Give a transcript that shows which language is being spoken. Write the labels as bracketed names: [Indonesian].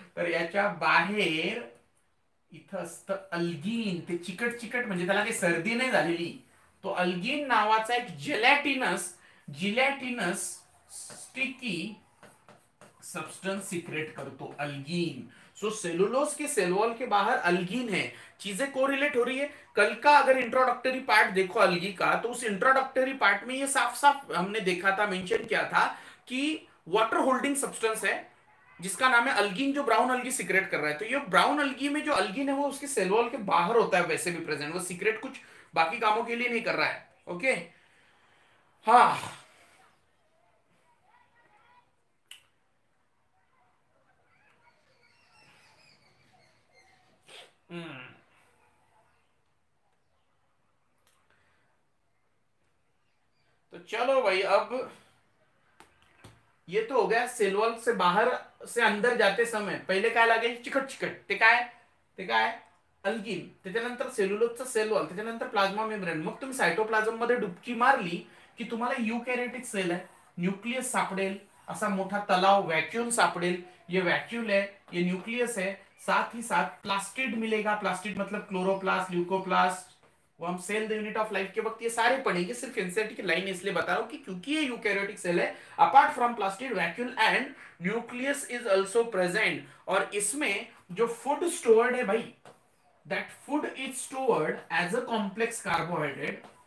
[Marathi] तर याच्या बाहेर इथं असतं अल्गीन। ते चिकट चिकट म्हणजे त्याला काही सर्दी नाही झालेली, तो अल्गीन नावाचा एक जिलॅटिनस स्टिकी सब्सटेंस सिक्रेट करतो अल्गीन। [Hindi] सो सेलुलोज के सेलवॉल के बाहर अल्गीन है, चीजें कोरिलेट हो रही है। कल का अगर इंट्रोडक्टरी पार्ट देखो अल्गी का, तो उस इंट्रोडक्टरी पार्ट में ये साफ साफ हमने देखा था, मेंशन किया था कि वाटर होल्डिंग सब्सटेंस है जिसका नाम है अल्गीन, जो ब्राउन अल्गी सिक्रेट कर रहा है। तो ये ब्राउन अल्गी में जो अल्गीन है वो उसके सेलवॉल के बाहर होता है, वैसे भी प्रेजेंट, वो सिक्रेट कुछ बाकी कामों के लिए नहीं कर रहा है, ओके। हाँ, तो चलो भाई, अब ये तो हो गया सेल वॉल से बाहर से अंदर जाते समय [Marathi] पहले काय लागेल, चिकट चिकट, ते काय अल्गिन, त्याच्यानंतर सेल्युलोजचा सेल वॉल, त्याच्यानंतर प्लाज्मा मेम्ब्रेन। मग तुम्ही सायटोप्लाझम मध्ये डुबकी मारली की तुम्हाला युकॅरियोटिक सेल आहे, न्यूक्लियस सापडेल, असा मोठा तलाव वॅक्युम सापडेल, [Hindi] ये वॅक्युल है, ये न्यूक्लियस है, साथ ही साथ प्लास्टिड मिलेगा। प्लास्टिड मतलब क्लोरोप्लास्ट, ल्यूकोप्लास्ट, वो हम cell the unit of life के वक्त ये सारे पढ़ेंगे। सिर्फ एनसीईआरटी की लाइन इसलिए बता रहा हूँ कि क्योंकि ये यूकैरियोटिक सेल है, [English] apart from plastid vacuole and nucleus is also present, [Hindi] और इसमें जो फूड स्टोर्ड है भाई, [English] That food is stored as a complex carbohydrate.